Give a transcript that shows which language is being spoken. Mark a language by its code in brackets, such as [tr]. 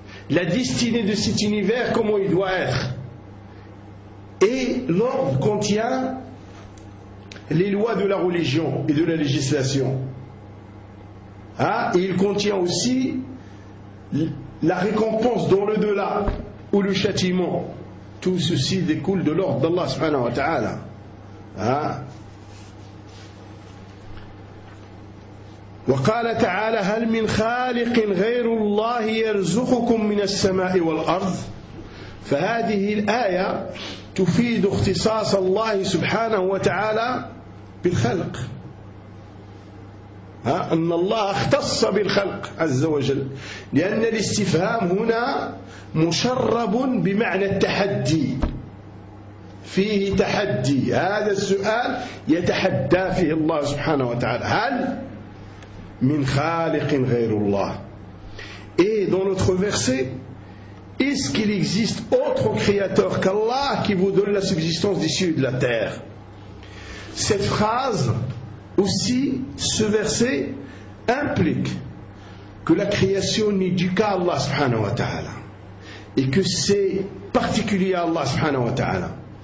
[fr] La destinée de cet univers, comment il doit être. Et l'ordre contient les lois de la religion et de la législation. Et il contient aussi la récompense dans l'au-delà ou le châtiment. Tout ceci découle de l'ordre d'Allah subhanahu wa ta'ala. [ar] وقال تعالى هل من خالق غير الله يرزقكم من السماء والأرض فهذه الآية تفيد اختصاص الله سبحانه وتعالى بالخلق أن الله اختص بالخلق عز وجل لأن الاستفهام هنا مشرب بمعنى التحدي فيه تحدي هذا السؤال يتحدى فيه الله سبحانه وتعالى هل min khaliqin ghayrullah. [fr] Et dans notre verset, est-ce qu'il existe autre créateur qu'Allah qui vous donne la subsistance des cieux et de la terre? Cette phrase, aussi, ce verset, implique que la création n'est due qu'à Allah subhanahu wa ta'ala et que c'est particulier à Allah subhanahu wa ta'ala.